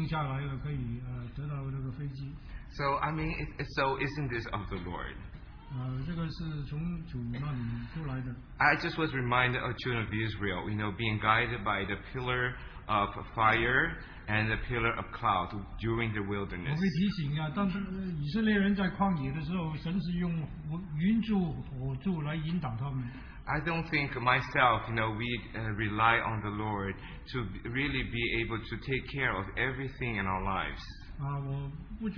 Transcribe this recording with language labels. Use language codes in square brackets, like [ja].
[zh] 结果花了10分钟,那飞机就定下来了,可以得到那个飞机。 [en] So, I mean, so isn't this of the Lord? I just was reminded of children of Israel, you know, being guided by the pillar of fire and the pillar of cloud during the wilderness. [zh] 我会提醒啊,当时以色列人在旷野的时候,神是用云柱火柱来引导他们。 [en] I don't think myself, you know, we rely on the Lord to really be able to take care of everything in our lives.